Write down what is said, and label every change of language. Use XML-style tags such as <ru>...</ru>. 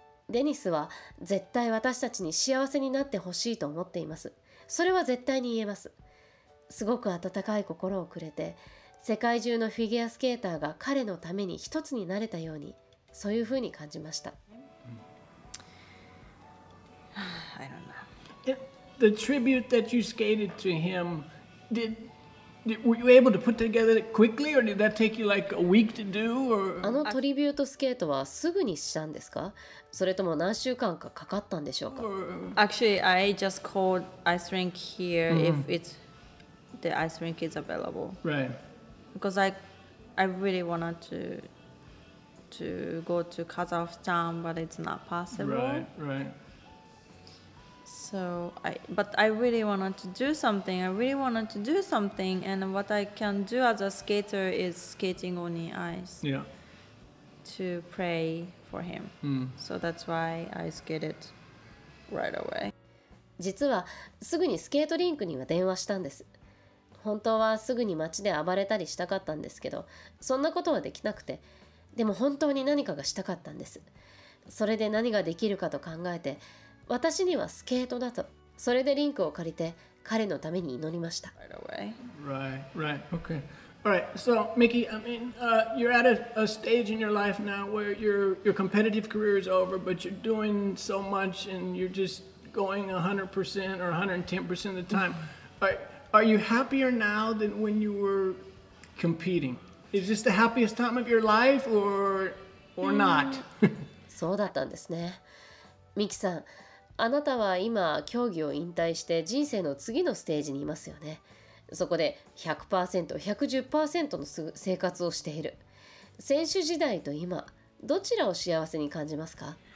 <ja>デニスは絶対私たちに幸せになってほしいと思っています。それは絶対に言えます。すごく温かい心をくれて、世界中のフィギュアスケーターが彼のために一つになれたように、そういうふうに感じました。</ja> <en>I don't know. The tribute that you skated to him, were you able to put together it quickly, or did that take you like a week to do? Or</en> <ja>あのトリビュートスケートはすぐにしたんですか？それとも何週間かかかったんでしょうか？</ja> <en>Actually, I just called ice rink here if it's the ice rink is available. Right. Because I really wanted to go to Kazakhstan, but it's not possible. Right. So I really wanted to do something. I really wanted to do something, and what I can do as a skater is skating on the ice. Yeah. To pray for him. Mm. So that's why I skated right away.</en> <ja>実はすぐにスケートリンクには電話したんです。本当はすぐに街で暴れたりしたかったんですけど、そんなことはできなくて、でも本当に何かがしたかったんです。それで何ができるかと考えて、私にはスケートだと、それでリンクを借りて彼のために祈りました。</ja> <en>Right, okay. All right, so Mickey, I mean, you're at a stage in your life now where your competitive career is over, but you're doing so much and you're just going 100% or 110% of the time. Are you happier now than when you were competing? Is this the happiest time of your life or not?</en> <ja>そうだったんですね。ミキさん、あなたは今競技を引退して人生の次のステージにいますよね。そこで 100%、110% の生活をしている。選手時代と今、どちらを幸せに感じますか？</ja>